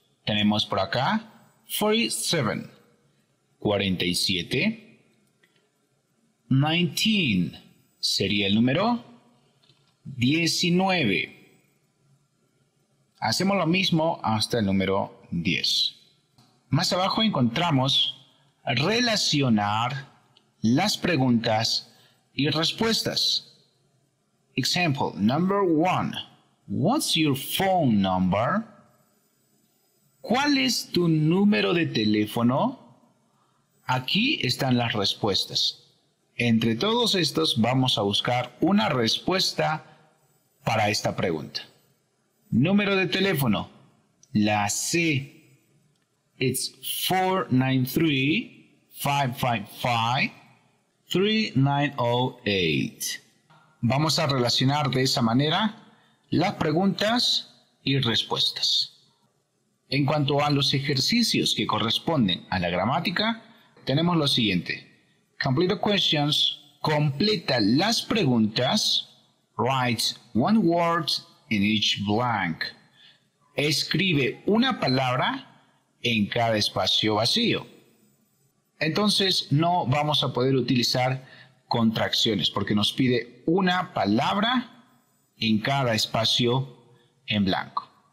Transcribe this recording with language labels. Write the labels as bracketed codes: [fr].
[es] Tenemos por acá 47, 47, 19 sería el número 19. Hacemos lo mismo hasta el número 10. Más abajo encontramos relacionar las preguntas y respuestas. [en] Example number 1. What's your phone number? [es] ¿Cuál es tu número de teléfono? Aquí están las respuestas. Entre todos estos vamos a buscar una respuesta para esta pregunta. Número de teléfono. La C. [en] It's 493-555-3908. [es] Vamos a relacionar de esa manera las preguntas y respuestas. En cuanto a los ejercicios que corresponden a la gramática, tenemos lo siguiente. [en] Complete the questions. [es] Completa las preguntas. [en] Write one word in each blank. [es] Escribe una palabra en cada espacio vacío. Entonces, no vamos a poder utilizar contracciones porque nos pide una palabra en cada espacio en blanco.